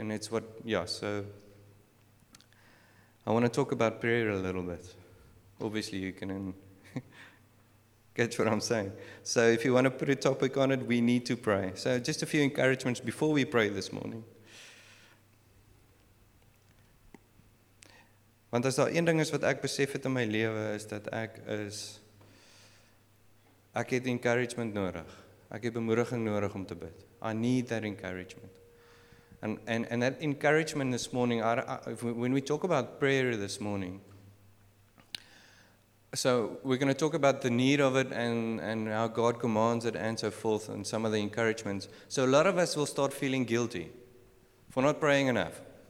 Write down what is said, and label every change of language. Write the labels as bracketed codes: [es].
[en] And it's what, yeah, so I want to talk about prayer a little bit. Obviously you can catch what I'm saying. So if you want to put a topic on it, we need to pray. So just a few encouragements before we pray this morning. [af] Want as daar een ding is wat ek besef het in my lewe is dat ek het encouragement nodig. Ek het bemoediging nodig om te bid. [en] I need that encouragement. And that encouragement this morning, when we talk about prayer this morning, so we're going to talk about the need of it and how God commands it and so forth and some of the encouragements. So a lot of us will start feeling guilty for not praying enough.